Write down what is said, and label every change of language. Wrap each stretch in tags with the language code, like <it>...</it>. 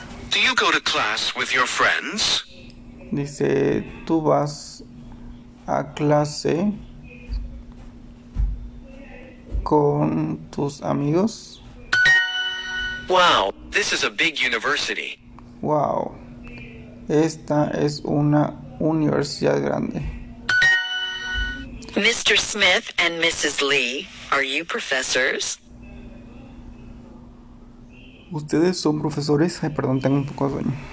<en>Do you go to class with your friends?</en> <es>Dice, tú vas a clase con tus amigos.</es> <en>Wow, this is a big university.</en> <es>Wow, esta es una universidad grande.</es> <en>Mr. Smith and Mrs. Lee, are you professors?</en> <es>¿Ustedes son profesores? Ay, perdón, tengo un poco de sueño.</es>